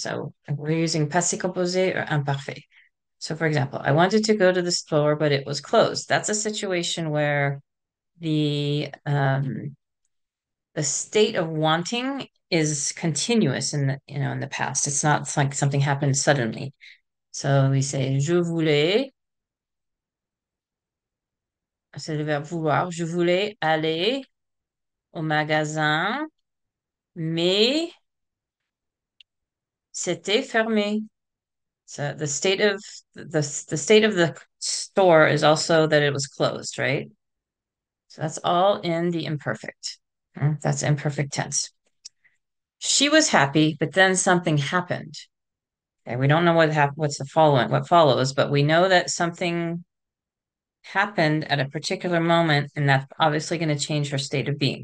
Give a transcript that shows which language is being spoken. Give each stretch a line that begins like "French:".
English: So we're using passé composé or imparfait. So for example, I wanted to go to the store, but it was closed. That's a situation where the state of wanting is continuous in the past. It's not like something happened suddenly. So we say,
French: je voulais, c'est le verbe vouloir, je voulais aller au magasin, mais c'était fermé.
English: So the state of the store is also that it was closed, right? So that's all in the imperfect. That's imperfect tense. She was happy, but then something happened. Okay, we don't know what follows, but we know that something happened at a particular moment, and that's obviously going to change her state of being.